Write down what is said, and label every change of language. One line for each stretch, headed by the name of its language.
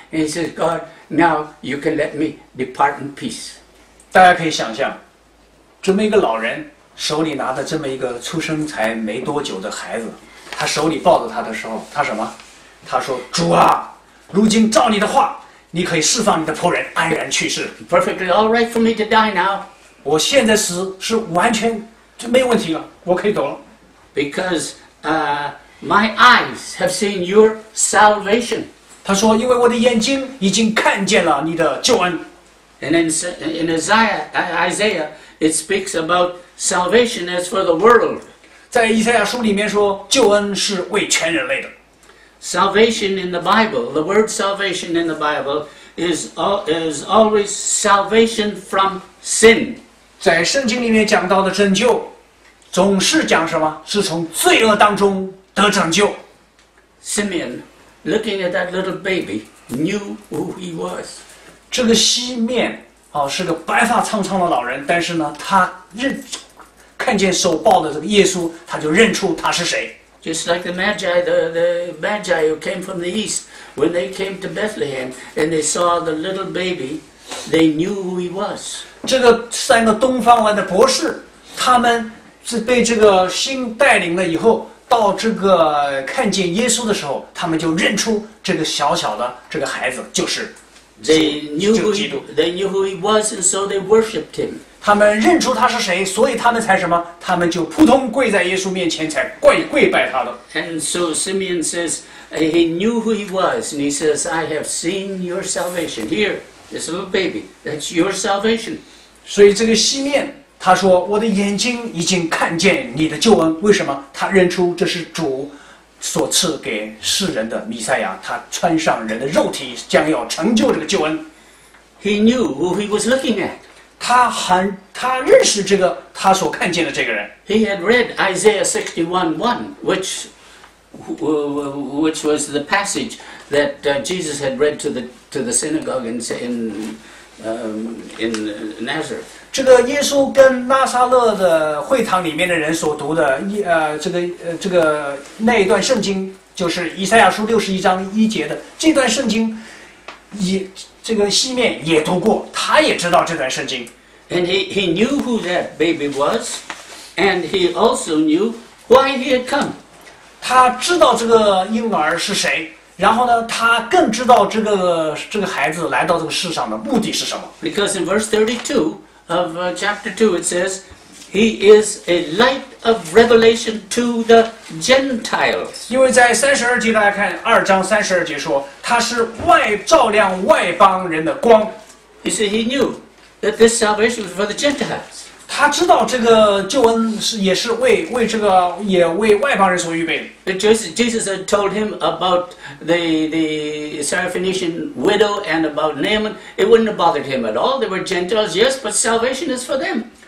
English: And he says, God, now you can let me depart in peace.
Chinese: 大家可以想象，这么一个老人。手里拿着这么一个出生才没多久的孩子，他手里抱着他的时候，他什么？他说：“主啊，如今照你的话，你可以释放你的仆人，安然去世。”
English: Perfectly all right for me to die now.
Chinese: 我现在死是完全就没问题了，我可以走了。
English: Because my eyes have seen your salvation.
Chinese: 他说：“因为我的眼睛已经看见了你的救恩。”
English: And in Isaiah, it speaks aboutSalvation is for the world.
Chinese: 在以赛亚书里面说，救恩是为全人类的。
English: Salvation in the Bible, the word salvation in the Bible is always salvation from sin.
Chinese: 在圣经里面讲到的拯救，总是讲什么？是从罪恶当中得拯救。
English: Simeon, looking at that little baby, knew who he was.
Chinese: 这个西面。是个白发苍苍的老人，但是呢，他看见手抱的这个耶稣，他就认出他是谁。
English: Just like the Magi, the Magi who came from the east, when they came to Bethlehem and they saw the little baby, they knew who he was.
Chinese: 这个三个东方来的博士，他们是被这个星带领了以后，到这个看见耶稣的时候，他们就认出这个小小的这个孩子就是。
English: They knew who he was, and so they worshipped him.
Chinese: 他们认出他是谁，所以他们才什么？他们就扑通跪在耶稣面前，才跪拜他了。
English: And so Simeon says, he knew who he was, and he says, I have seen your salvation. Here, this little baby, that's your salvation.
Chinese: 所以这个西面，他说，我的眼睛已经看见你的救恩。为什么？他认出这是主。所赐给世人的弥赛亚，他穿上人的肉体，将要成就这个救恩。
English: He knew who he was looking at.
Chinese: 他认识这个他所看见的这个人。
English: He had read Isaiah 61:1, which was the passage that Jesus had read to the synagogue in Nazareth.
Chinese: 这个耶稣跟拉撒勒的会堂里面的人所读的这个那一段圣经，就是以赛亚书61:1的这段圣经，这个西面也读过，他也知道这段圣经。
English: And he knew who that baby was, and he also knew why he had come.
Chinese: 他知道这个婴儿是谁，然后呢，他更知道这个孩子来到这个世上的目的是什么。
English: Because in verse 32 of chapter 2 it says, He is a light of revelation to the Gentiles.
Chinese: 因为在32节来看，二章32节说，他是外照亮外邦人的光。
English: You see, he knew. That this salvation was for the Gentiles.
Chinese: 他知道这个救恩是也是为这个也为外邦人所预备的。
English: Jesus had told him about the Syrophoenician widow and about Naaman. It wouldn't have bothered him at all. They were Gentiles, yes, but salvation is for them.